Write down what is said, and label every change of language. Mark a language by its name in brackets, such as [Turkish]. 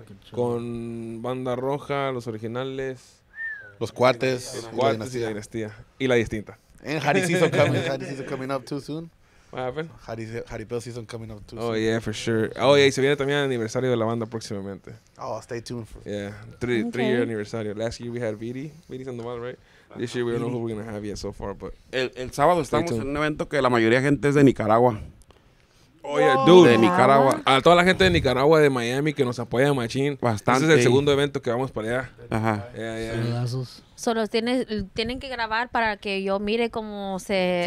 [Spanish] Con Banda Roja, Los Originales. Los Cuates. Los Cuates y la Dinastía. Y La Distinta. [English] And Hari season coming up too soon. What happened? Jaripeo season coming up too soon. Oh, yeah, for sure. Oh, yeah, [Spanish] y se viene también el aniversario de la banda próximamente. [English] Oh, stay tuned. Three-year aniversario. Last year we had Viri. Viri Sandoval, right? This year we don't know who we're going to have yet so far, but... [Spanish] El sábado estamos tuned. En un evento que la mayoría de gente es de Nicaragua. [English] Oh, yeah, dude. [Spanish] De Nicaragua. A toda la gente de Nicaragua, de Miami, que nos apoya machín. Bastante. Ese es el segundo evento que vamos para allá. Ajá. [English] Yeah. [Spanish] Saludazos. Solo tienen que grabar para que yo mire cómo se...